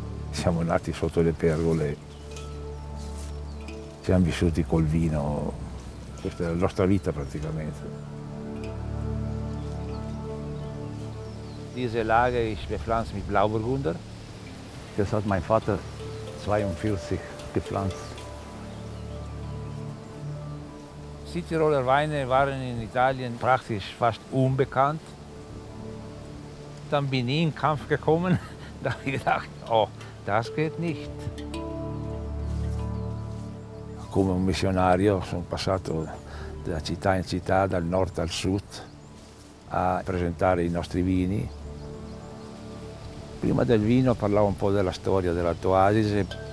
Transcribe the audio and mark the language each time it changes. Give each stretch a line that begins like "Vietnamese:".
Italian: Siamo nati sotto le pergole. Siamo vissuti col vino, questa è la nostra vita praticamente.
German: Diese Lage ist bepflanzt mit Blauburgunder. Das hat mein Vater 1942 gepflanzt. Südtiroler Weine waren in Italien praktisch fast unbekannt. Dann bin ich in Kampf gekommen, da habe ich gedacht, oh, das geht nicht.
Italian: Come un missionario sono passato da città in città, dal nord al sud, a presentare i nostri vini. Prima del vino parlavo un po' della storia dell'Alto Adige.